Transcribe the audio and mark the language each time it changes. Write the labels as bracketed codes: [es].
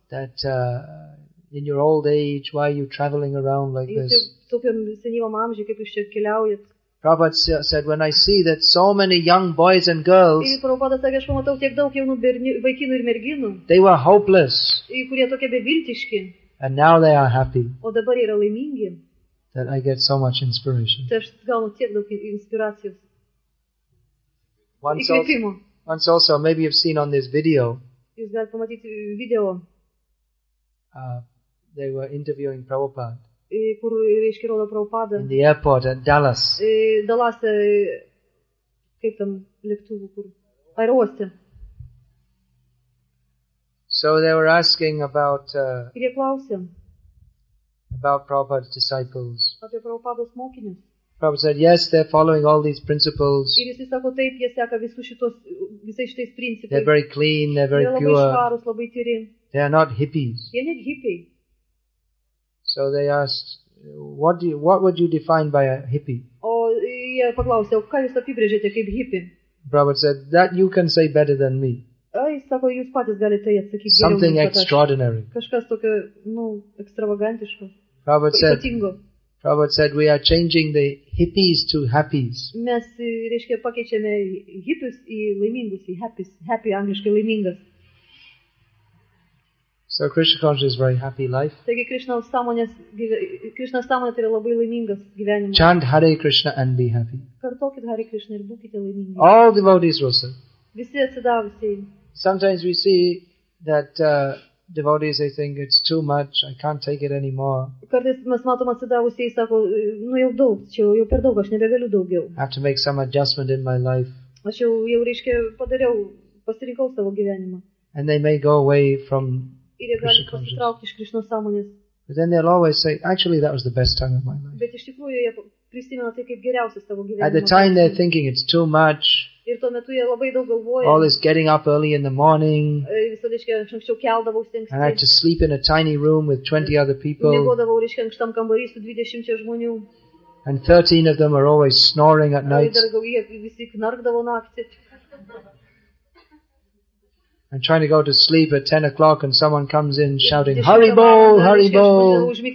[en] That in your old age, why are you traveling around like this? [lt] Jūs tokiam senyvam amžiui, kaip jūs čia keliaujat? [en] Prabhupada said, when I see that so many young boys and girls. [lt] Ir Prabhupadas sakė, aš pamatau tiek daug jaunų vaikinų ir merginų. [en] They were hopeless. [lt] Ir kurie tokie beviltiški. [en] And now they are happy. [lt] O dabar yra laimingi. [en] That I get so much inspiration. [lt] Tai aš gaunu tiek daug inspiracijos. [en] Once also, maybe you've seen on this video. [lt] Jūs galite pamatyti video. [en] They were interviewing Prabhupada. [lt] Kur reiškia rodo Prabhupada. [en] In the airport at Dallas. [lt] Dallas, kaip tam lėktuvų, kur? Aerouoste. [en] So they were asking about. [lt] Ir jie klausė. [en] About Prabhupada's disciples. [lt] Apie Prabhupados mokinius. [en] Prabhupada said, yes, they're following all these principles. [lt] Ir jis sako, taip, jie seka visais šitais principais. [en] They're very clean, they're very pure. [lt] Labai švarūs, labai tyri. [en] They are not hippies. [lt] Jie net hippie. [en] So they asked, what would you define by a hippie? [lt] O jie paklausė, o ką jūs apibrėžėte kaip hippie? [en] Prabhupada said, that you can say better than me. [lt] Jis sako, jūs patys galite atsakyti. [en] Something extraordinary. [lt] Kažkas tokio, ekstravagantiško. [en] Prabhupada said, Prabhupada said, we are changing the hippies to happies. [lt] Mes, reiškia, pakeičiame hipius į laimingus, į [en] happies, happy, [lt] angliškai laimingas. [en] So Krishna consciousness is very happy life. [lt] Taigi Krishna sąmonė yra labai laimingas gyvenimas. [en] Chant Hare Krishna and be happy. [lt] Kartokit Hare Krishna ir būkite laimingi. [en] All devotees will say. [lt] Visi atsidavusiai. [en] Sometimes we see that devotees they think it's too much, I can't take it anymore. [lt] Kartais mes matom atsidavusiai sako, nu jau daug, čia jau per daug, aš nebegaliu daugiau. [en] I have to make some adjustment in my life. [lt] Aš jau reiškia padariau, pasirinkau savo gyvenimą. [en] And they may go away from [lt] ir jie gali pasitraukti iš Krishna sąmonės. [en] But then they'll always say, actually that was the best time of my life. [lt] Bet iš tikrųjų jie prisimena tai kaip geriausias savo gyvenimo. [en] At the time they're thinking it's too much. [lt] Ir tuo metu jie labai daug galvoja. [en] All this getting up early in the morning. [lt] Visada, reiškia, anksčiau keldavausi anksti. [en] And I had to sleep in a tiny room with 20 other people. [lt] Miegodavau, reiškia, ankštam kambary su 20 žmonių. [en] And 13 of them are always snoring at night. [lt] Visi knarkdavo naktį. [en] I'm trying to go to sleep at 10 o'clock and someone comes in shouting, Haribol, Haribol.